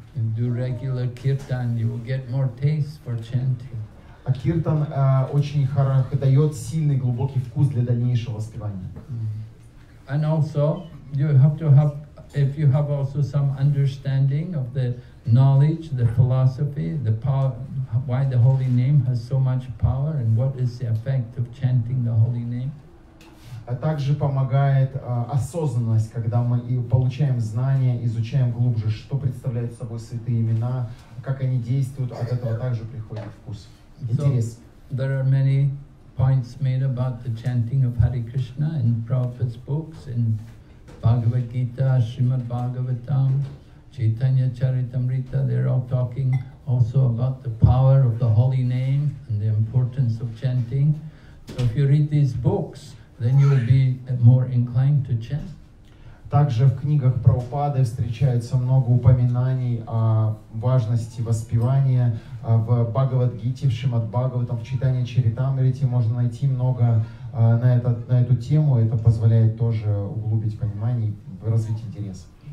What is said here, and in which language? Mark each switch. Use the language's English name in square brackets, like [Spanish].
[English] And do regular kirtan, you will get more taste for chanting. [Russian] А киртан очень хорошо дает сильный глубокий вкус для дальнейшего воспевания. [English] And also you have to have, if you have also some understanding of the knowledge, the philosophy, the power, why the holy name has so much power and what is the effect of chanting the holy name. [Russian] А также помогает осознанность, когда мы и получаем знания, изучаем глубже, что представляют собой святые имена, как они действуют, от этого также приходит вкус. [English] So there are many points made about the chanting of Hare Krishna in Prabhupada's books, in Bhagavad Gita, Srimad Bhagavatam, Chaitanya Charitamrita. They're all talking also about the power of the holy name and the importance of chanting. So if you read these books, then you will be more inclined to chant. [Russian] Также в книгах Прабхупады встречается много упоминаний о важности воспевания. В Бхагавад-гите, в Шримад-Бхагаватам, в читании Чаритамрити можно найти много на эту тему. Это позволяет тоже углубить понимание и развить интерес.